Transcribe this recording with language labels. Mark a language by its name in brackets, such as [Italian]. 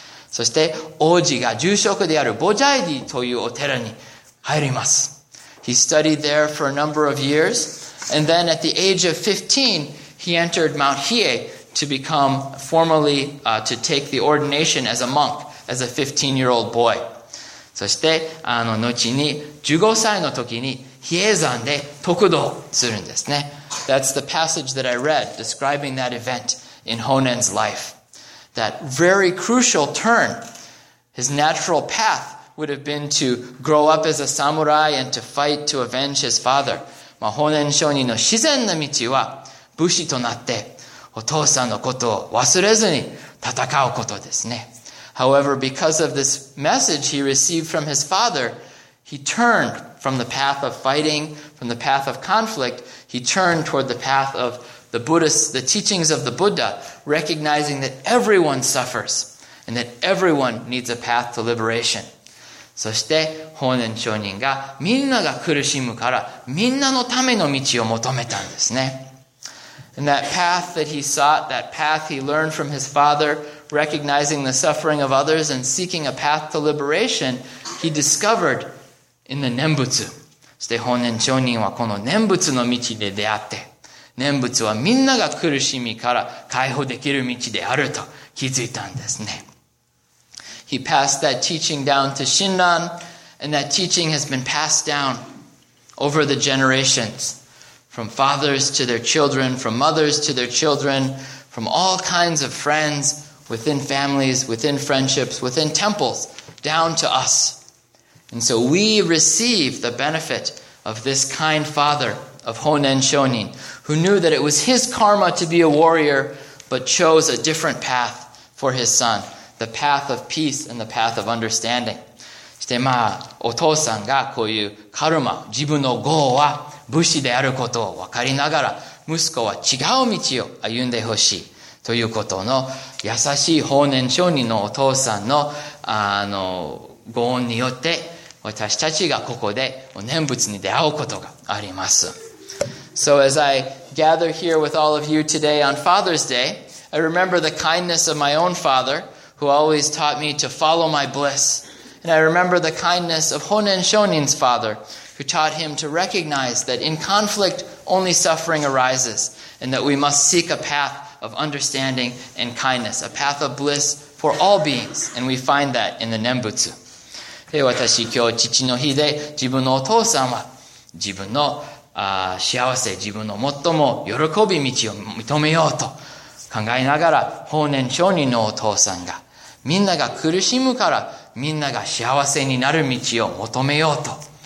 [Japanese] そして、王子が住職である Bodaiji というお寺に入ります。 [English] He studied there for a number of years, and then at the age of 15, he entered Mount Hiei to become formally, to take the ordination as a monk, as a 15-year-old boy. [Japanese] そして、後に、15歳の時に、比叡山で、得道するんですね。 [English] That's the passage that I read, describing that event in Honen's life. That very crucial turn, his natural path would have been to grow up as a samurai and to fight to avenge his father. [Japanese] まあ、Honen Shonin の自然な道は、武士となって、お父さんのことを忘れずに戦うことですね。 [English] However, because of this message he received from his father, he turned from the path of fighting, from the path of conflict, he turned toward the path of the Buddhists, the teachings of the Buddha, recognizing that everyone suffers and that everyone needs a path to liberation. [Japanese] そして法然上人がみんなが苦しむからみんなのための道を求めたんですね。 [English] And that path that he sought, that path he learned from his father, recognizing the suffering of others and seeking a path to liberation, he discovered in the 念仏。 [Japanese] そして法然上人はこの念仏の道で出会って、念仏はみんなが苦しみから解放できる道であると気づいたんですね。 [English] He passed that teaching down to Shinran, and that teaching has been passed down over the generations, from fathers to their children, from mothers to their children, from all kinds of friends, within families, within friendships, within temples, down to us. And so we receive the benefit of this kind father of Honen Shonin, who knew that it was his karma to be a warrior, but chose a different path for his son. The path of peace and the path of understanding. [Japanese] そしてまあお父さんがこういうカルマ、自分の業は武士であることを分かりながら、息子は違う道を歩んでほしいということの優しい法然上人のお父さんのあの御恩によって、私たちがここで念仏に出会うことがあります。 [English] So as I gather here with all of you today on Father's Day, I remember the kindness of my own father. Who always taught me to follow my bliss. And I remember the kindness of Honen Shonin's father, who taught him to recognize that in conflict only suffering arises, and that we must seek a path of understanding and kindness, a path of bliss for all beings. And we find that in the Nembutsu. [Japanese] で、私今日父の日で自分のお父さんは自分の幸せ、自分の最も喜び道を認めようと考えながら、法然上人のお父さんが、みんなが苦しむから、みんなが幸せになる道を求めようと、